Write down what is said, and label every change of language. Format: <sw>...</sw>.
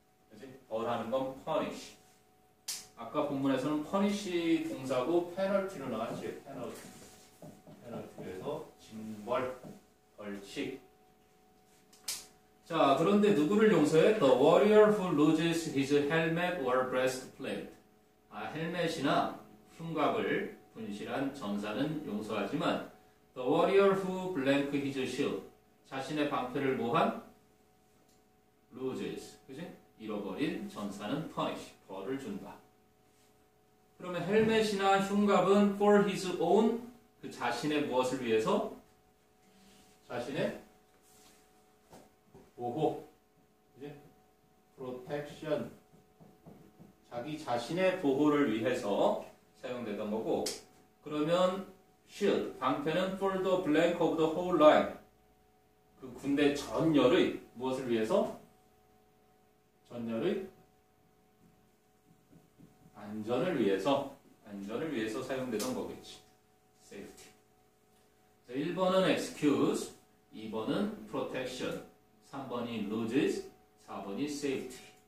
<ko>그치? 벌하는 건 punish. 아까 본문에서는 punish 동사고 penalty로 나왔지. penalty. 그래서 징벌, 벌칙. 자, 그런데 누구를 용서해?</ko> <en>The warrior who loses his helmet or breastplate.</en> <ko>아, 헬멧이나 흉갑을 분실한 전사는 용서하지만,</ko> <en>The warrior who blank his shield.</en> <ko>자신의 방패를 뭐한? loses. 그지? 잃어버린 전사는 punish. 벌을 준다. 그러면 헬멧이나 흉갑은</ko> <en>for his own?</en> <ko>그 자신의 무엇을 위해서? 자신의 보호. 그지? protection. 자기 자신의 보호를 위해서 사용되던 거고, 그러면 shield. 방패는</ko> <en>for the blank of the whole line.</en> <ko>그 군대 전열의 무엇을 위해서? 전열의 안전을 위해서, 안전을 위해서 사용되던 거겠지. safety. 자, 1번은 excuse, 2번은 protection, 3번이 loses, 4번이 safety.</ko>